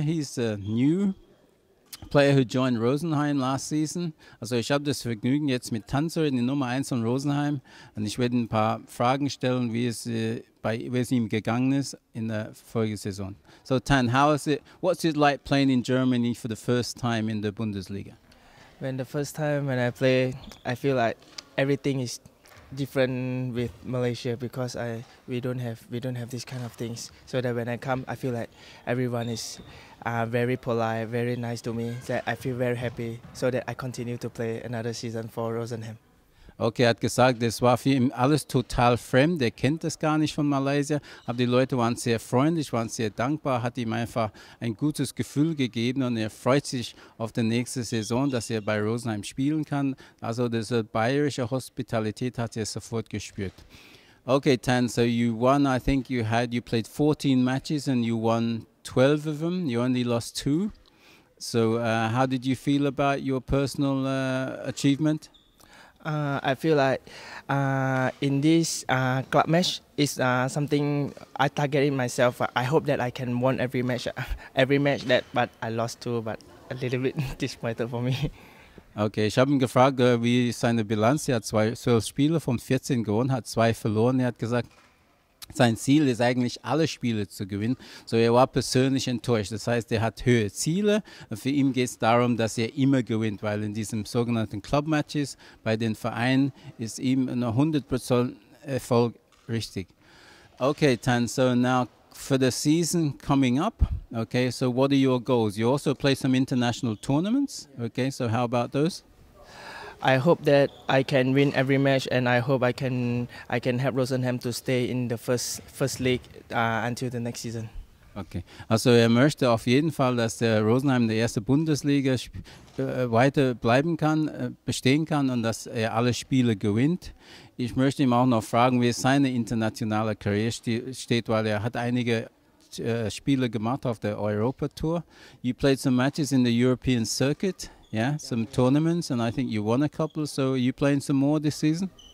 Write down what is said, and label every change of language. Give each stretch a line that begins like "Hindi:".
English: He's a new player who joined Rosenheim last season.
German: Also, ich habe das Vergnügen, jetzt mit Tan zu reden, die Nummer 1 von Rosenheim. Und ich werde ein paar Fragen stellen, wie es ihm gegangen ist in der vorigen Saison.
English: So, Tan, how is it? What's it like playing in Germany for the first time in the Bundesliga? When the first time when I play, I feel like everything is different with Malaysia because we don't have these kind of things. So that when I come, I feel like everyone is very polite, very nice to me. That I feel very happy, so that I continue to play another season for Rosenheim.
German: Okay, hat gesagt, das war für ihn alles total fremd. Er kennt das gar nicht von Malaysia. Aber die Leute waren sehr freundlich, waren sehr dankbar, hat ihm einfach ein gutes Gefühl gegeben und er freut sich auf die nächste Saison, dass er bei Rosenheim spielen kann. Also diese bayerische Hospitalität hat er sofort gespürt.
English: Okay, Tan, so you won, I think you played 14 matches and you won 12 of them. You only lost 2. So how did you feel about your personal achievement? I feel like in this club match is something I targeted myself. I hope that I can win every match that, but I lost 2, but a little bit disappointed for me.
German: Okay, ich habe ihn gefragt, wie seine Bilanz. Er hat 12 Spiele von 14 gewonnen, hat 2 verloren. Er hat gesagt, sein Ziel ist eigentlich, alle Spiele zu gewinnen. So, er war persönlich enttäuscht. Das heißt, er hat höhere Ziele. Und für ihn geht es darum, dass er immer gewinnt, weil in diesen sogenannten Club-Matches bei den Vereinen ist ihm nur 100% Erfolg richtig.
English: Okay, Tan, so now for the season coming up, okay, so what are your goals? You also play some international tournaments, okay, so how about those? I hope that I can win every match, and I hope I can help Rosenheim to stay in the first league until the next season.
German: Okay, also er möchte auf jeden Fall, dass der Rosenheim in der ersten Bundesliga weiter bleiben kann, bestehen kann und dass er alle Spiele gewinnt. Ich möchte ihm auch noch fragen, wie seine internationale Karriere steht, weil er hat einige Spiele gemacht auf der Europa-Tour.
English: You played some matches in the European Circuit. Yeah, some tournaments, and I think you won a couple. So are you playing some more this season?